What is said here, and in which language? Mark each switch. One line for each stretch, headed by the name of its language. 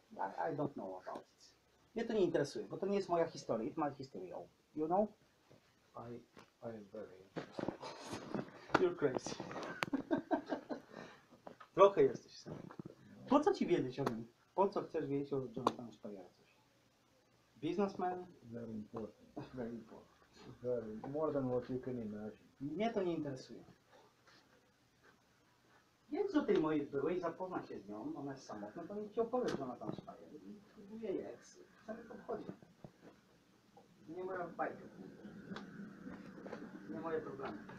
English: I don't know about it.
Polish: Mnie to nie interesuje, bo to nie jest moja historia.
English: It's my history. You know? I am very interested. You're crazy.
Polish: Trochę jesteś sam. Po co ci wiedzieć o nim? Po co chcesz wiedzieć o Jonathanie Speyerze coś?
English: Businessman? Very important. Very important. Very, more than what you can imagine.
Polish: Mnie to nie interesuje. Jedź do tej mojej byłej, zapoznaj się z nią, ona jest samotna, to mi ci opowie Jonathan Speyer. I próbuję jak sobie to chodzi. Nie moja bajka. Nie moje problemy.